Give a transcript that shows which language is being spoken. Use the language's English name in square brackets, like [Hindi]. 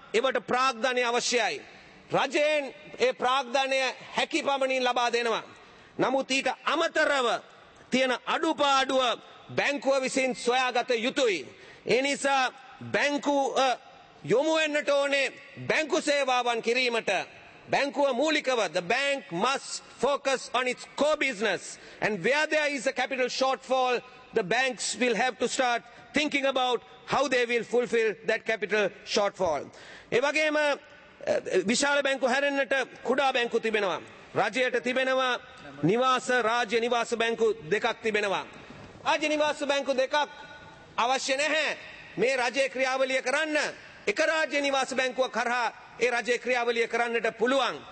[Sinhala] ඒවට ප්‍රාග්ධනය අවශ්‍යයි. රජයෙන් ඒ ප්‍රාග්ධනය හැකි පමණින් ලබා දෙනවා. නමුත් ඊට අමතරව තියෙන අඩුපාඩුව බැංකුව විසින් සොයාගත යුතුයි. ඒ නිසා බැංකු යොමු වෙන්නට ඕනේ බැංකු සේවාවන් කිරීමට. බැංකුව මූලිකව [English] the bank must focus on its core business and where there is a capital shortfall the banks will have to start thinking about how they will fulfill that capital shortfall. [Sinhala] ඒ වගේම විශාල බැංකු හැරෙන්නට කුඩා බැංකු තිබෙනවා. රජයට තිබෙනවා නිවාස රාජ්‍ය නිවාස බැංකු දෙකක් තිබෙනවා. රාජ්‍ය නිවාස බැංකු දෙකක් අවශ්‍ය නැහැ මේ රජයේ ක්‍රියාවලිය කරන්න. එක රාජ්‍ය නිවාස බැංකුවක් කරා ඒ රජයේ ක්‍රියාවලිය කරන්නට පුළුවන්.